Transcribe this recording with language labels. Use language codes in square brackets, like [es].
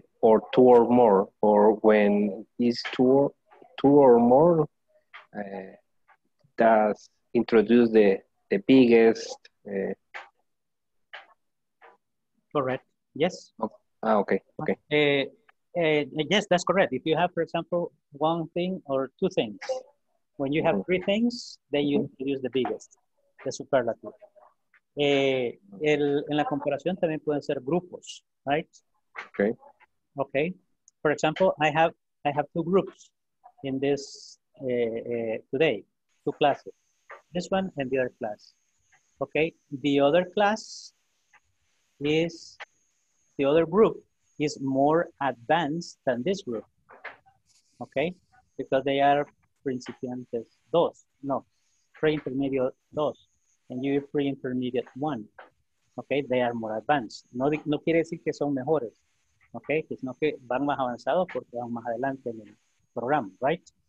[en] Or two or more, or when is two or more does introduce the biggest correct. Yes. Okay. Yes, that's correct. If you have, for example, one thing or two things. When you have three things, then you introduce the biggest, the superlative. [es] En la comparación también pueden ser grupos, right? Okay. Okay. [en] For example, I have two groups in this today, two classes, this one and the other class. Okay. The other group is more advanced than this group. Okay, because they are [es] principiantes dos, [en] no, pre-intermediate dos, and you pre-intermediate one. [es] Okay, [en] they are more advanced. [es] No quiere decir que son mejores. Okay, sino que van más avanzados porque van más adelante en el programa, right?